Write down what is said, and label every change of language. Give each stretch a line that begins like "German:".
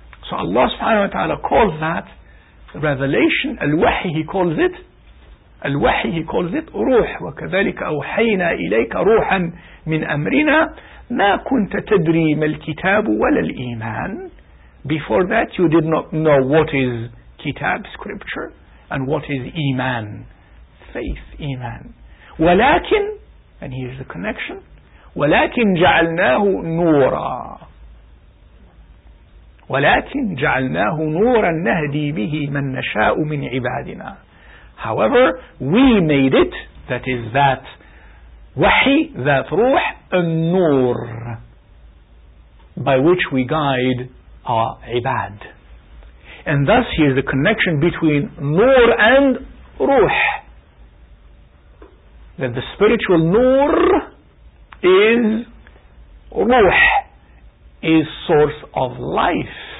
English: So Allah subhanahu wa ta'ala calls that revelation, al-wahi, he calls it, al-wahi, he calls it ruh.
Arabic: وَكَذَلِكَ أَوْحَيْنَا إِلَيْكَ رُوحًا مِّنْ أَمْرِنَا مَا كُنْتَ تَدْرِي مَا الْكِتَابُ وَلَا الْإِيمَانِ.
English: Before that, you did not know what is kitab, scripture, and what is iman, faith, iman.
Arabic: ولكن,
English: and here's the connection,
Arabic: ولكن جعلناه نورا ولكن جعلناه نورا نهدي به من نشاء من عبادنا.
English: However, we made it, that is that وحي, that روح, a نور by which we guide our عباد. And thus here's the connection between نور and روح, that the spiritual nur is ruh, is source of life.